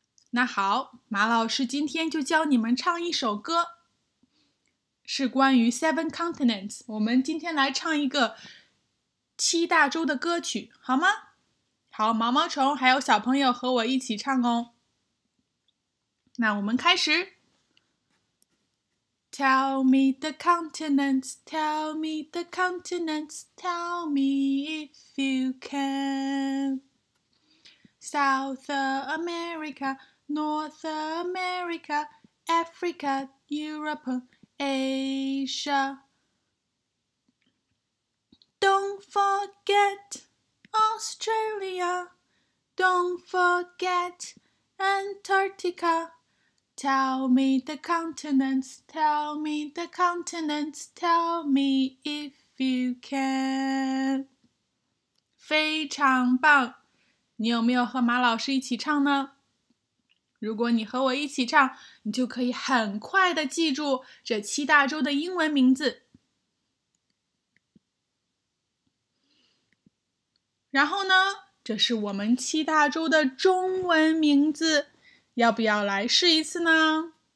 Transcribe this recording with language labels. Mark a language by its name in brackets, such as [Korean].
[Chinese] 那好，马老师今天就教你们唱一首歌，是关于 Seven Continents。我们今天来唱一个七大洲的歌曲好吗？好，毛毛虫还有小朋友和我一起唱哦。那我们开始。 [English] Tell me the continents, tell me the continents, tell me if you can. South AmericaNorth America, Africa, Europe, Asia. Don't forget Australia. Don't forget Antarctica. Tell me the continents, tell me the continents, tell me if you can. [Chinese] 非常棒！你有没有和马老师一起唱呢？如果你和我一起唱，你就可以很快地记住这七大洲的英文名字。然后呢，这是我们七大洲的中文名字，要不要来试一次呢？